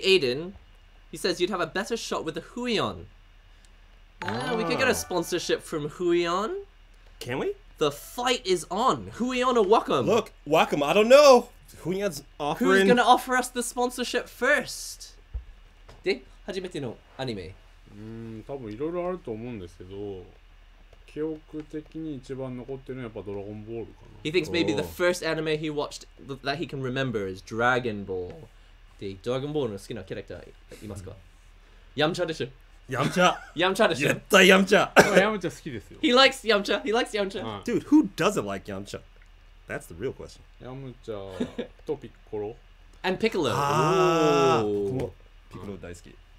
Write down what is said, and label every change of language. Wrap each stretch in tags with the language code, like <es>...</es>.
<en>Aiden, he says you'd have a better shot with the Huion. We could get a sponsorship from Huion. Can we? The fight is on. Huion or Wacom? Look, Wacom. I don't know. Hunyad's offering... Who's going to offer us the sponsorship first?</en> <ja>で、初めてのアニメ。多分いろいろあると思うんですけど、記憶的に一番残ってるのはやっぱドラゴンボールかな。</ja> <en>He thinks maybe the first anime he watched that he can remember is Dragon Ball.</en> <ja>で、ドラゴンボールの好きなキャラクターいますか？ヤムチャでしょ。</ja> <en>Yamcha! Yamcha! Yeah, Yamcha! Yamcha is like Yamcha! He likes Yamcha! He likes Yamcha! Dude, who doesn't like Yamcha? That's the real question. Yamcha, Topikoro. And Piccolo! Ah! Ooh. Piccolo daisuki.</en>